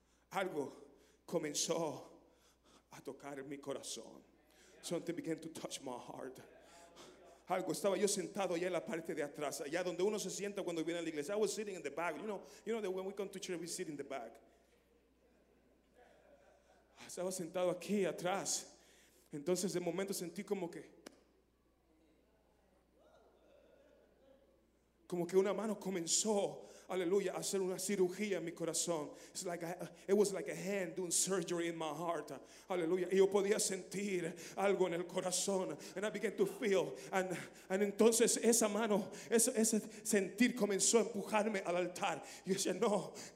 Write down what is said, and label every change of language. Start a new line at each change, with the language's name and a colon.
Spanish: Algo comenzó a tocar mi corazón.
English: Something began to touch my heart.
Spanish: Algo estaba yo sentado allá en la parte de atrás, allá donde uno se sienta cuando viene a la iglesia.
English: I was sitting in the back. You know that when we come to church, we sit in the back.
Spanish: Estaba sentado aquí atrás. Entonces de momento sentí como que una mano comenzó. Aleluya, hacer una cirugía en mi corazón.
English: It's like it was like a hand doing surgery in my heart.
Spanish: Aleluya, y yo podía sentir algo en el corazón.
English: And I began to feel.
Spanish: And entonces esa mano, ese sentir comenzó a empujarme al altar. Y yo decía, no.